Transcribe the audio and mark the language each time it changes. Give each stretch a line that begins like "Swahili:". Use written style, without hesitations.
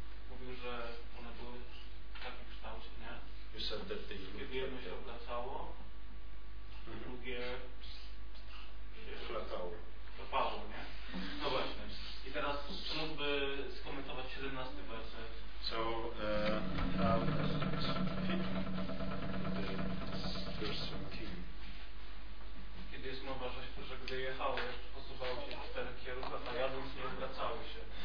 Polish: Mówił, że one były w takim kształcie, nie?
English: You said that they looked like
Polish: jedno się obracało, drugie flatało. Topało, nie? No właśnie. I teraz czy mógłby skomentować 17 werset?
English: So, how does it fit with verse 17?
Polish: Kiedy jest mowa, że gdy jechały, posuwały się w cztery kierunki, a jadąc nie obracały się.